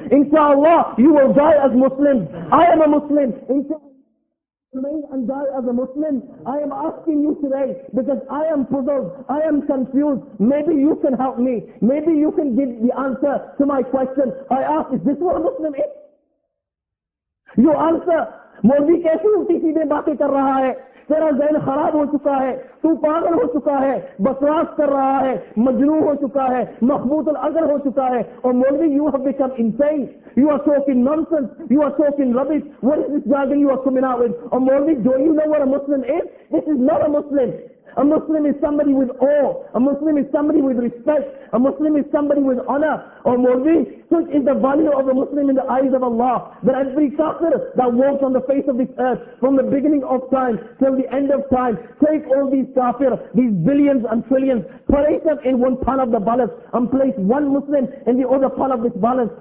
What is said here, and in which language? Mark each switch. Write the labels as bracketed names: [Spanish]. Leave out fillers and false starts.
[English] Inshallah, you will die as Muslims. I am a Muslim. Remain and die as a Muslim. I am asking you today because I am puzzled. I am confused. Maybe you can help me. Maybe you can give the answer to my question. I ask, is this what a Muslim is? You answer, [Urdu] مولوی کیسے الٹی سیدھی باتیں کر رہا ہے؟ تیرا ذہن خراب ہو چکا ہے. تو پاگل ہو چکا ہے. بسواس کر رہا ہے. مجنو ہو چکا ہے. مخبوط الازہر ہو چکا ہے. [English] Or Maulvi, you have become insane. You are talking nonsense. You are talking rubbish. What is this jargon you are coming out with? Or Maulvi, do you know what a Muslim is? This is not a Muslim. A Muslim is somebody with awe. A Muslim is somebody with respect. A Muslim is somebody with honor. Or Maulvi, such is the value of a Muslim in the eyes of Allah, that every kafir that walks on the face of this earth from the beginning of time till the end of time, take all these kafir, these billions and trillions, place them in one part of the balance and place one Muslim in the other part of this balance.